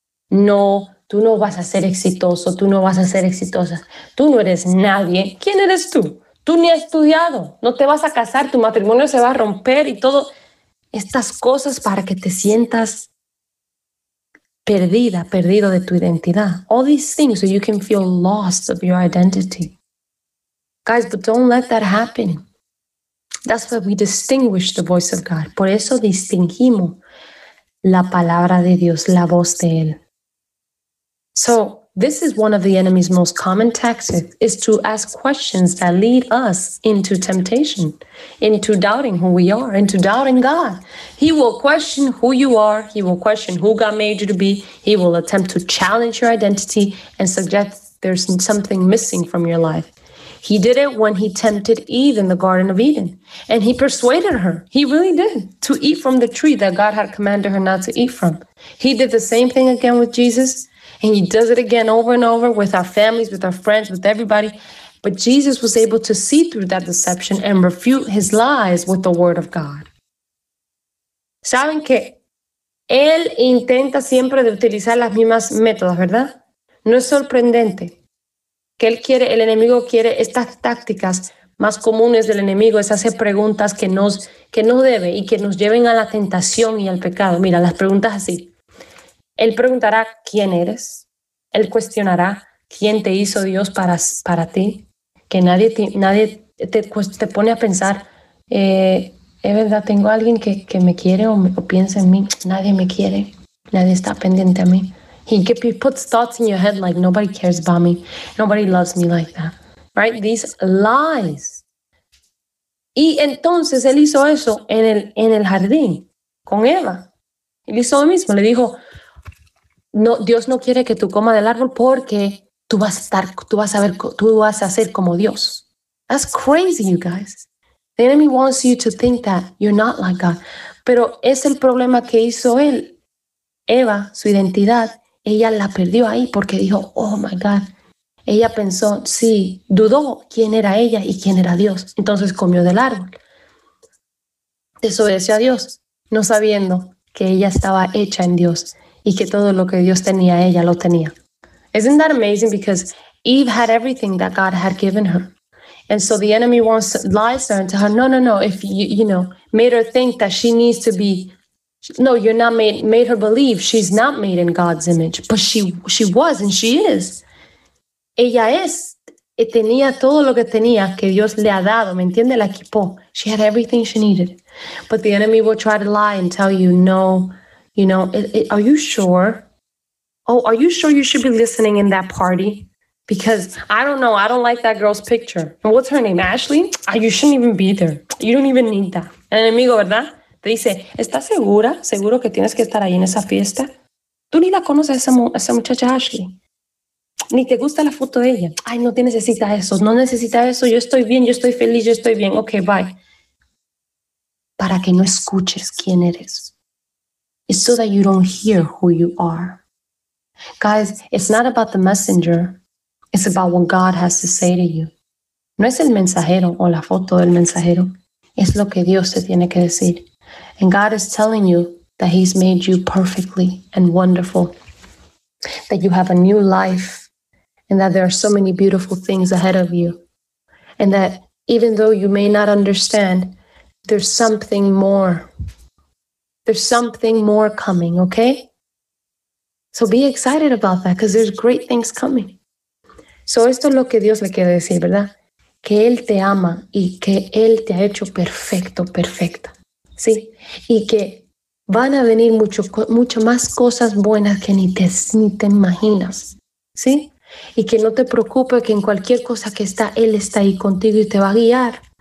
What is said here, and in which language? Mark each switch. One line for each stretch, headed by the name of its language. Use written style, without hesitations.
Spanish: No, tú no vas a ser exitoso. Tú no vas a ser exitosa. Tú no eres nadie. ¿Quién eres tú? Tú ni has estudiado. No te vas a casar. Tu matrimonio se va a romper y todo. Estas cosas para que te sientas perdida, perdido de tu identidad.
English: All these things so you can feel lost of your identity. Guys, but don't let that happen. That's why we distinguish the voice of God.
Spanish: Por eso distinguimos la palabra de Dios, la voz de Él.
English: So, this is one of the enemy's most common tactics, is to ask questions that lead us into temptation, into doubting who we are, into doubting God. He will question who you are. He will question who God made you to be. He will attempt to challenge your identity and suggest there's something missing from your life. He did it when he tempted Eve in the Garden of Eden, and he persuaded her, he really did, to eat from the tree that God had commanded her not to eat from. He did the same thing again with Jesus. And he does it again over and over with our families, with our friends, with everybody. But Jesus was able to see through that deception and refute his lies with the word of God.
Spanish: ¿Saben qué? Él intenta siempre de utilizar las mismas métodos, ¿verdad? No es sorprendente que él quiere, el enemigo quiere estas tácticas más comunes del enemigo, es hacer preguntas que nos debe y que nos lleven a la tentación y al pecado. Mira, las preguntas así. Él preguntará quién eres. Él cuestionará quién te hizo Dios para ti. Que nadie te pone a pensar, es verdad, tengo alguien que me quiere o piensa en mí. Nadie me quiere. Nadie está pendiente a mí.
English: He puts thoughts in your head like nobody cares about me. Nobody loves me like that. Right? These lies.
Spanish: Y entonces él hizo eso en el jardín con Eva. Él hizo lo mismo. Le dijo, no, Dios no quiere que tú comas del árbol porque tú vas a estar, tú vas a ser como Dios.
English: That's crazy, you guys. The enemy wants you to think that you're not like God.
Spanish: Pero es el problema que hizo él. Eva, su identidad, ella la perdió ahí porque dijo,
English: oh my God.
Spanish: Ella pensó, sí, dudó quién era ella y quién era Dios. Entonces comió del árbol. Desobedeció a Dios, no sabiendo que ella estaba hecha en Dios y que todo lo que Dios tenía, ella lo tenía.
English: Isn't that amazing? Because Eve had everything that God had given her. And so the enemy wants to lie to her and tell her, no, no, no, if you, you know, made her think that she needs to be, no, you're not made, made her believe she's not made in God's image. But she was and she is.
Spanish: Ella es, tenía todo lo que tenía que Dios le ha dado, ¿me entiende? La equipó.
English: She had everything she needed. But the enemy will try to lie and tell you, no, you know, are you sure? Oh, are you sure you should be listening in that party? Because I don't know, I don't like that girl's picture. And what's her name, Ashley? Oh, you shouldn't even be there. You don't even need that.
Spanish: El enemigo, ¿verdad? Te dice, ¿estás segura? ¿Seguro que tienes que estar ahí en esa fiesta? Tú ni la conoces a esa muchacha Ashley. Ni te gusta la foto de ella. Ay, no te necesita eso. No necesita eso. Yo estoy bien. Yo estoy feliz. Yo estoy bien.
English: Okay, bye.
Spanish: Para que no escuches quién eres.
English: It's so that you don't hear who you are. Guys, it's not about the messenger. It's about what God has to say to you.
Spanish: No es el mensajero o la foto del mensajero. Es lo que Dios te tiene que decir.
English: And God is telling you that he's made you perfectly and wonderful. That you have a new life. And that there are so many beautiful things ahead of you. And that even though you may not understand, there's something more. There's something more coming, okay? So be excited about that, because there's great things coming.
Spanish: So esto es lo que Dios le quiere decir, ¿verdad? Que Él te ama y que Él te ha hecho perfecto, perfecta. ¿Sí? Y que van a venir mucho más cosas buenas que ni te imaginas. ¿Sí? Y que no te preocupes, que en cualquier cosa que está, Él está ahí contigo y te va a guiar.